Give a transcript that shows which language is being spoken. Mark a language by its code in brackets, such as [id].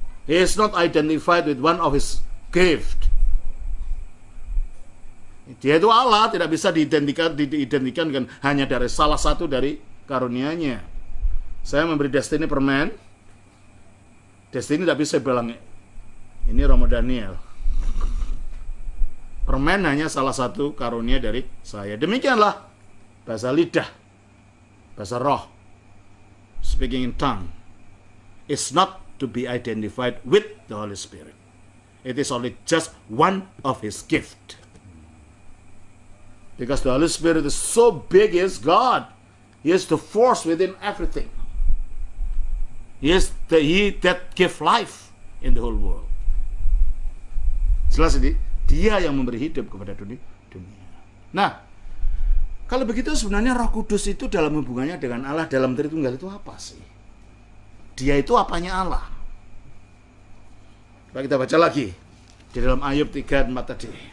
[en] He is not identified with one of his gift. [id] Dia itu Allah, tidak bisa diidentikan dengan hanya dari salah satu dari karunianya. Saya memberi destiny permen. Destiny tapi saya bilang, ini Romo Daniel. Permen hanya salah satu karunia dari saya. Demikianlah bahasa lidah, bahasa roh, [en] speaking in tongue, is not to be identified with the Holy Spirit. It is only just one of his gift. Because the Holy Spirit is so big, he is God. He is the force within everything. He that give life in the whole world. [id] Jelas ini? Dia yang memberi hidup kepada dunia. Nah, kalau begitu sebenarnya Roh Kudus itu dalam hubungannya dengan Allah dalam Tritunggal itu apa sih? Dia itu apanya Allah? Coba kita baca lagi di dalam Ayub 3:4 tadi.